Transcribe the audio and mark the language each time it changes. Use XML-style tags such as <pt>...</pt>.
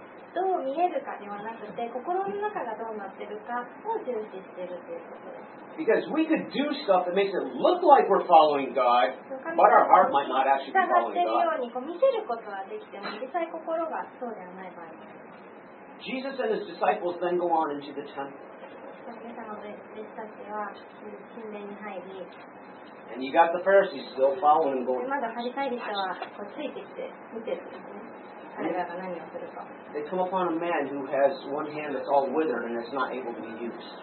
<ja>どう見えるかではなくて、心の中がどうなってるかを重視しているということです。</ja> <en>Because we could do stuff that makes it look like we're following God, but our heart might not actually be following God.</en> <ja>従っているようにこう見せることはできても、実際心がそうではない場合です。</ja> <en>Jesus and his disciples then go on into the temple.</en> <ja>イエス様の弟子たちは神殿に入り、</ja> <en>And you got the Pharisees still following and going.</en> <ja>まだハリサイ人はこうついてきて見てるんですね。</ja> <en>They come upon a man who has one hand that's all withered and is not able to be used.</en>